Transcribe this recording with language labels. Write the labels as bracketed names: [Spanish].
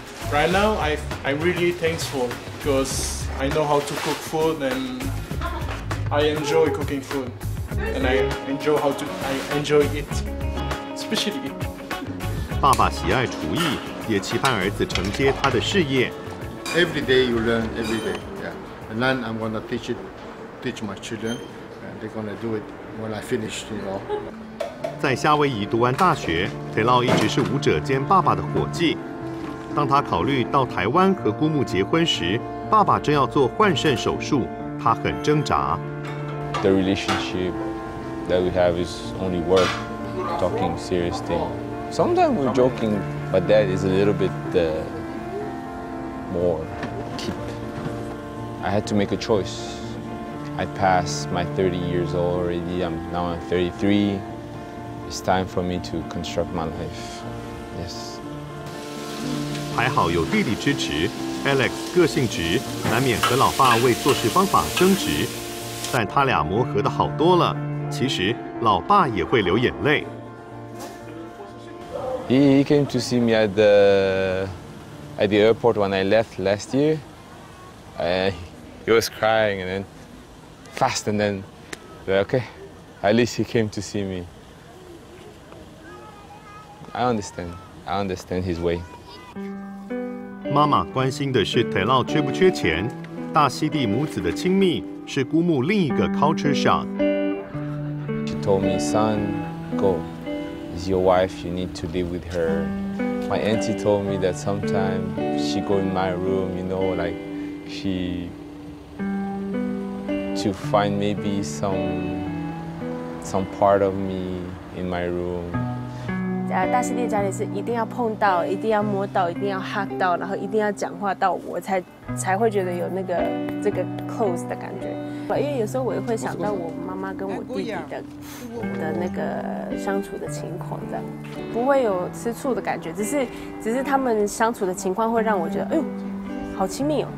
[English] Right now, I'm really thankful because I know how to cook food and I enjoy cooking food and I enjoy how to I enjoy it. [Chinese] 学习里。爸爸喜爱厨艺，也期盼儿子承接他的事业。 [English] Every day you learn, every day, yeah. And then I'm gonna teach it, teach my children, and they're gonna do it when I finish, you know. [Chinese] 在夏威夷读完大学，腿烙一直是舞者兼爸爸的伙计。当他考虑到台湾和姑母结婚时，爸爸正要做换肾手术，他很挣扎。 [English] The relationship that we have is only work, talking serious thing. Sometimes we're joking, but that is a little bit more keep. I had to make a choice. I passed my 30 years old already. Now I'm 33. It's time for me to construct my life. Yes. [Chinese] 还好有弟弟支持 ，Alex 个性直，难免和老爸为做事方法争执，但他俩磨合的好多了。其实老爸也会流眼泪。 [English] He came to see me at the airport when I left last year. He was crying and then fast and then okay. At least he came to see me. I understand his way. [Chinese] 妈妈关心的是腿烙缺不缺钱，大溪地母子的亲密是姑母另一个 culture shock。 [English] She told me, son, go. It's your wife. You need to live with her. My auntie told me that sometimes she go in my room. You know, like she to find maybe some part of me in my room. [Chinese] 大溪地家里是一定要碰到，一定要摸到，一定要 hug 到，然后一定要讲话到我才会觉得有那个这个 close 的感觉。因为有时候我也会想到我妈妈跟我弟弟的那个相处的情况，这样不会有吃醋的感觉，只是他们相处的情况会让我觉得哎呦好亲密哦。